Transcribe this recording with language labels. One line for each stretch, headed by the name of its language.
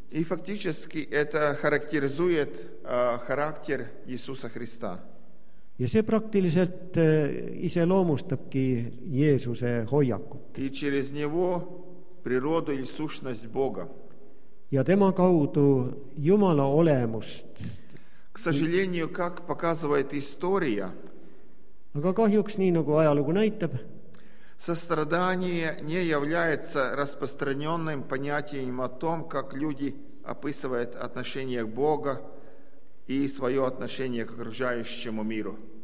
Russian: И фактически это характеризует характер Иисуса Христа.
Estonian: Ja see praktiliselt ise loomustabki Jeesuse hoiakut.
Russian: И через него природу и сущность Бога.
Estonian: Ja tema kaudu Jumala olemust.
Russian: К сожалению, как показывает история,
Estonian: aga kahjuks nii nagu ajalugu näitab,
Russian: сострадание не является распространенным понятием о том, как люди описывают отношение к Богу и свое отношение к окружающему миру.